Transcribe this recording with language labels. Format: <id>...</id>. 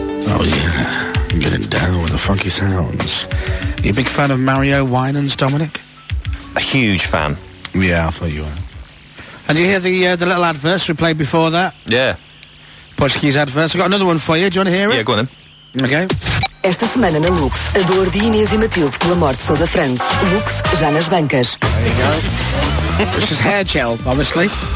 <en>Oh yeah, I'm getting down with the funky sounds. You a big fan of Mario Winans, Dominic? A huge fan. Yeah, I thought you were. And did you hear the little adverse we played before that? Yeah. Portuguese adverse. I've got another one for you. Do you want to hear it? Yeah, go on then. Okay.</en> <pt>Esta semana na Lux, a dor de Inês e Matilde pela morte de Sousa Franco. Lux, já nas bancas.</pt> <en>There you go. This is hair gel, obviously.</en>